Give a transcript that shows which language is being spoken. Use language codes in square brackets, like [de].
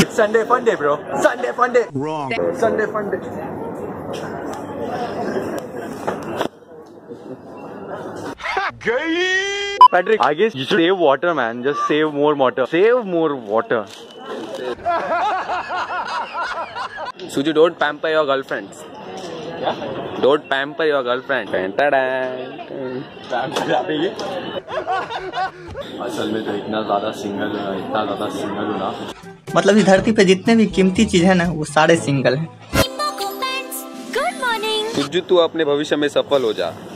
[en] It's Sunday fun day bro, Sunday fun day, wrong, Sunday fun day. Guy Patrick, I guess you should save water man, just save more water, save more water. Suju, don't pamper your girlfriends. Yeah? Don't pamper your girlfriend. [hi] Pamper आप ही हैं। असल में तो इतना ज़्यादा single हूँ, इतना ज़्यादा सिंगल हूँ ना। मतलब इस धरती पे जितने भी कीमती चीज़ हैं ना, वो सारे सिंगल हैं। [en] Good morning. [hi] Suju, तू अपने भविष्य में सफल हो जा।